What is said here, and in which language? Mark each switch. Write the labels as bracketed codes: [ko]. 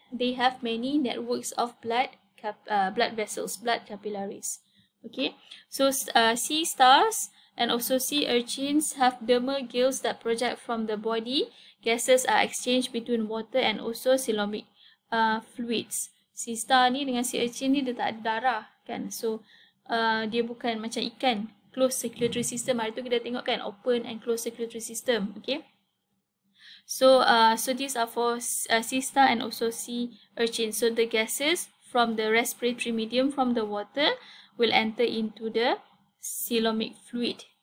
[en] They have many networks of blood vessels, blood capillaries. Okay. So sea stars and also sea urchins have dermal gills that project from the body. Gases are exchanged between water and also siloamic fluids. [ms] Sea star ni dengan sea urchin ni, dia tak ada darah, kan? So dia bukan macam ikan. [en] Closed circulatory system. [ms] Hari tu kita tengok, kan, [en] open and closed circulatory system. Okay. So so these are for sea star and also sea urchin. So the gases from the respiratory medium, from the water, will enter into the siloamic fluid.